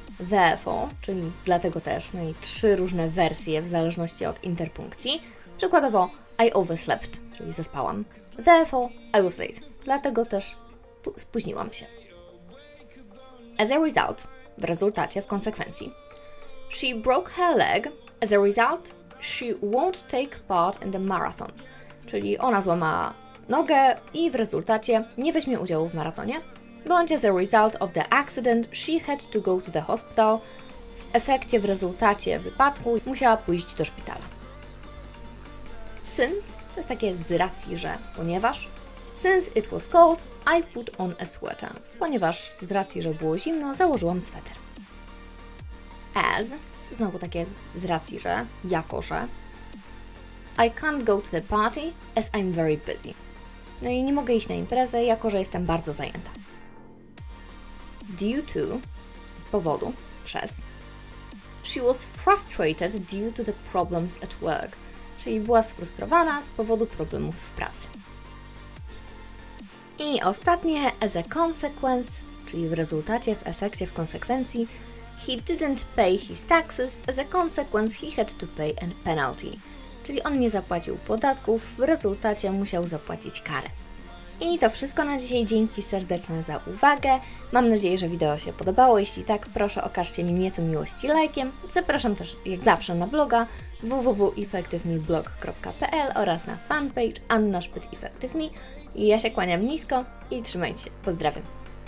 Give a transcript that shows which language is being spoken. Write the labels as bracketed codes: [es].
[pl] Therefore, czyli dlatego też, no i 3 różne wersje w zależności od interpunkcji. Przykładowo [en] I overslept, [pl] czyli zaspałam. [en] Therefore, I was late. [pl] Dlatego też spóźniłam się. [en] As a result, [pl] w rezultacie, w konsekwencji. [en] She broke her leg. As a result, she won't take part in the marathon. [pl] Czyli ona złamała nogę i w rezultacie nie weźmie udziału w maratonie. Bądź [en] as a result of the accident, she had to go to the hospital. [pl] W efekcie, w rezultacie wypadku musiała pójść do szpitala. Since, to jest takie z racji, że ponieważ. [en] Since it was cold, I put on a sweater. [pl] Ponieważ z racji, że było zimno, założyłam sweter. As, znowu takie z racji, że, jako że. [en] I can't go to the party, as I'm very busy. [pl] No i nie mogę iść na imprezę, jako że jestem bardzo zajęta. [en] Due to, [pl] z powodu, przez. [en] She was frustrated due to the problems at work. [pl] Czyli była sfrustrowana z powodu problemów w pracy. I ostatnie, [en] as a consequence, [pl] czyli w rezultacie, w efekcie, w konsekwencji. [en] He didn't pay his taxes, as a consequence he had to pay a penalty. [pl] Czyli on nie zapłacił podatków, w rezultacie musiał zapłacić karę. I to wszystko na dzisiaj, dzięki serdeczne za uwagę. Mam nadzieję, że wideo się podobało, jeśli tak, proszę okażcie mi nieco miłości lajkiem. Zapraszam też jak zawsze na bloga www.effectiveme.blog.pl oraz na fanpage Anna Szpyt Effective Me. Ja się kłaniam nisko i trzymajcie się. Pozdrawiam.